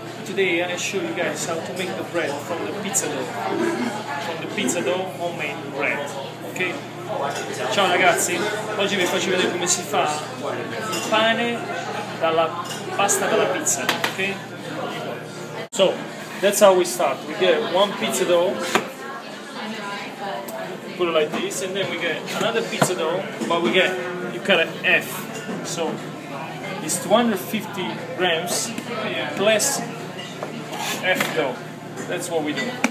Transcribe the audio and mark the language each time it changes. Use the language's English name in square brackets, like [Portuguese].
[English] Today I'm going to show you guys how to make the bread from the pizza dough. From the pizza dough homemade bread. Ok? [Italian] Ciao ragazzi, oggi vi faccio vedere come si fa il pane dalla pasta dalla pizza. [English] Ok? So, that's how we start. We get one pizza dough, put it like this, and then we get another pizza dough, but we get, you cut it F. So, it's 250 grams plus F dough. That's what we do.